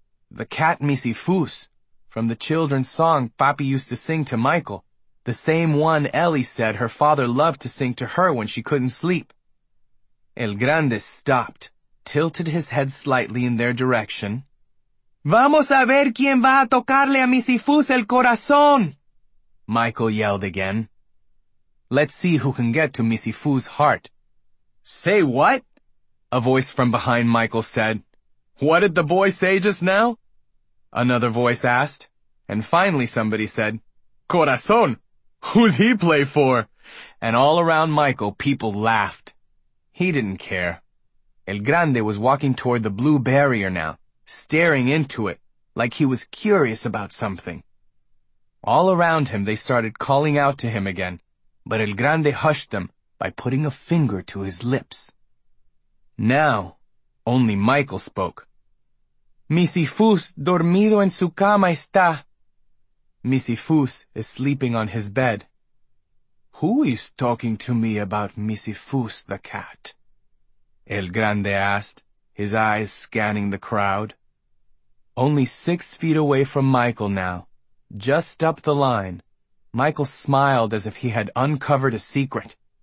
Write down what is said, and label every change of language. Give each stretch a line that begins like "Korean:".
English: The cat misifus, from the children's song Papi used to sing to Michael, the same one Ellie said her father loved to sing to her when she couldn't sleep. El Grande stopped, tilted his head slightly in their direction.
Spanish: Vamos a ver quién va a tocarle a misifus el corazón,
English: Michael yelled again. Let's see who can get to misifus's heart. Say what? A voice from behind Michael said. What did the boy say just now? Another voice asked, and finally somebody said, Corazón, who's he play for? And all around Michael, people laughed. He didn't care. El Grande was walking toward the blue barrier now, staring into it, like he was curious about something. All around him, they started calling out to him again, but El Grande hushed them by putting a finger to his lips. Now, only Michael spoke.
Spanish: Misifus dormido en su cama está.
English: Misifus is sleeping on his bed. Who is talking to me about Misifus the cat? El Grande asked, his eyes scanning the crowd. Only 6 feet away from Michael now, just up the line, Michael smiled as if he had uncovered a secret.